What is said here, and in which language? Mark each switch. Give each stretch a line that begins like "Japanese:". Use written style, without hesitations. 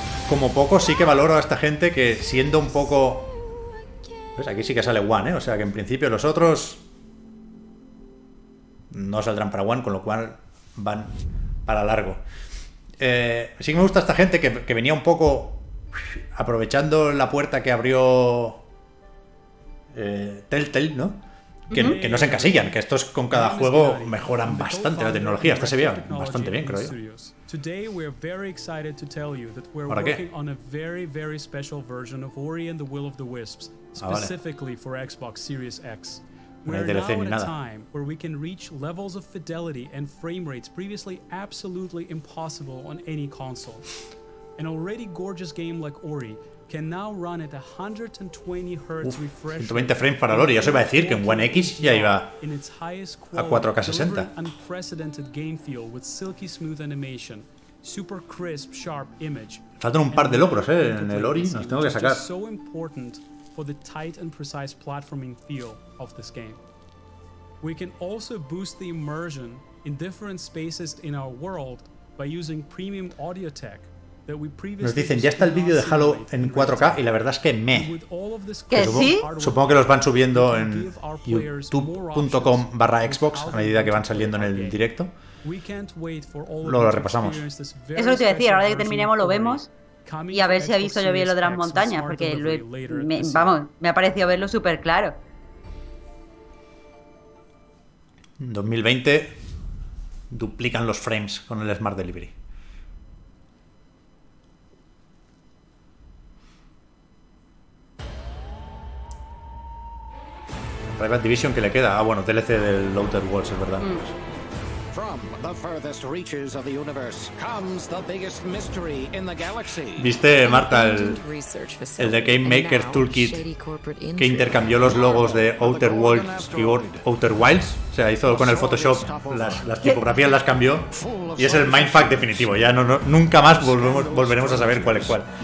Spanish: Como poco, sí que valoro a esta gente que, siendo un poco... Pues aquí sí que sale One, ¿eh? O sea que en principio los otros no saldrán para One, con lo cual van para largo. Sí que me gusta esta gente que venía un poco aprovechando la puerta que abrió Telltale, ¿no? Que no se encasillan, que estos con cada juego mejoran bastante la tecnología. Esta se ve bastante bien, creo yo.
English: Today we are very excited to tell you that we're working on a very very special version of Ori and the Will of the Wisps, specifically for Xbox Series X. We're now at a time where we can reach levels of fidelity and frame rates previously absolutely impossible on any console. An already gorgeous game like Ori can now run at 120 Hz refresh.
Spanish: 120 frames para Ori, ya se iba a decir que en One X ya iba a 4K60.
English: Unprecedented game feel with silky smooth animation, super crisp sharp image.
Spanish: Faltan un par de logros, en el Ori, nos tengo que sacar.
English: So important for the tight and precise platforming feel of this game. We can also boost the immersion in different spaces in our world by using premium audio tech.
Spanish: Nos dicen, ya está el vídeo de Halo en 4K y la verdad es que supongo que los van subiendo en youtube.com/Xbox a medida que van saliendo en el directo. Luego lo repasamos. Eso lo te iba a decir, ahora que terminemos lo vemos y a ver si ha visto yo bien lo de las montañas, porque me ha parecido verlo súper claro. 2020 duplican los frames con el Smart Delivery. Private Division, que le queda. Ah, bueno, DLC del Outer Worlds, es verdad.
English: From the furthest reaches of the universe comes the biggest mystery in the galaxy.
Spanish: ¿Viste, Marta, el de Game Maker Toolkit que intercambió los logos de Outer Worlds y Outer Wilds? O sea, hizo con el Photoshop las tipografías, las cambió. Y es el mindfuck definitivo. Ya no, nunca más volveremos a saber cuál es cuál.